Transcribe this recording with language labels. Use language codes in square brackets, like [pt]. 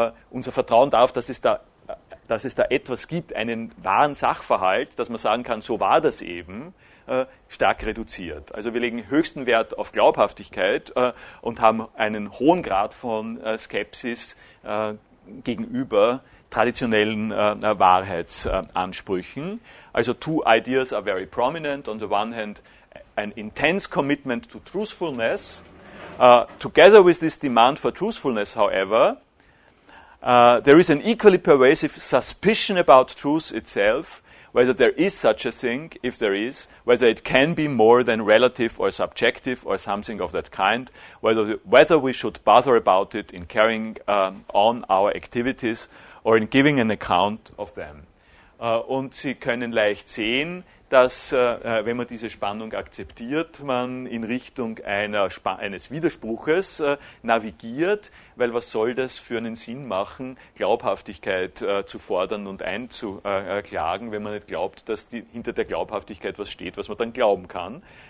[de] Unser Vertrauen darauf, dass es da etwas gibt, einen wahren Sachverhalt, dass man sagen kann, so war das eben, stark reduziert. Also wir legen höchsten Wert auf Glaubhaftigkeit und haben einen hohen Grad von Skepsis gegenüber traditionellen Wahrheitsansprüchen. [en] Also two ideas are very prominent. On the one hand, an intense commitment to truthfulness. Together with this demand for truthfulness, however, there is an equally pervasive suspicion about truth itself, whether there is such a thing, if there is, whether it can be more than relative or subjective or something of that kind, whether we should bother about it in carrying on our activities or in giving an account of them. [de] Und Sie können leicht sehen, dass, wenn man diese Spannung akzeptiert, man in Richtung eines Widerspruches navigiert, weil was soll das für einen Sinn machen, Glaubhaftigkeit zu fordern und einzuklagen, wenn man nicht glaubt, dass hinter der Glaubhaftigkeit was steht, was man dann glauben kann.